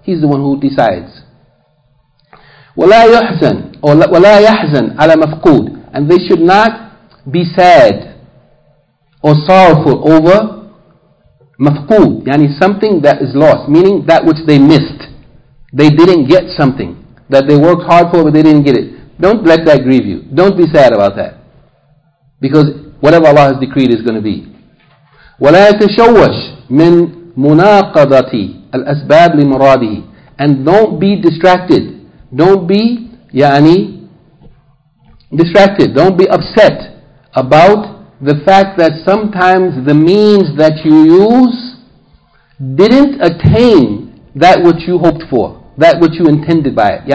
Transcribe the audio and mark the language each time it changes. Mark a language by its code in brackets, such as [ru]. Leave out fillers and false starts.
[en] He's the one who decides. [ar] وَلَا يُحْزَن, [en] or [ar] وَلَا يَحْزَن عَلَى مَفْقُود, [en] and they should not be sad or sorrowful over مَفْقُود, yani something that is lost, meaning that which they missed. They didn't get something that they worked hard for, but they didn't get it. Don't let that grieve you. Don't be sad about that. Because whatever Allah has decreed is going to be. [ar] ولا يتشوش من مناقضة الأسباب لمراده. [en] And don't be distracted. Don't be يعني distracted. Don't be upset about the fact that sometimes the means that you use didn't attain that which you hoped for, that which you intended by it.